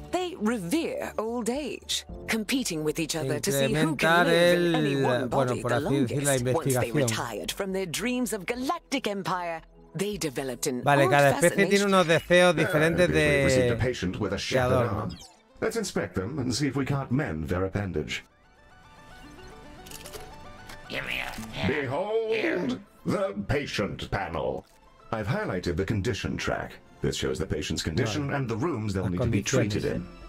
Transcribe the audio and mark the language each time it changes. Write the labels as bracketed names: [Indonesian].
[English] They revere old age, competing with each other to see who can live in any one body the longest. Once they retired from their dreams of galactic empire, they developed an. [Spanish] Vale, cada especie tiene unos deseos diferentes de. [English] Received a patient with a shattered arm. Let's inspect them and see if we can't mend their appendage. Behold the patient panel. I've highlighted the condition track. This shows the patient's condition and the rooms they'll need to be treated in.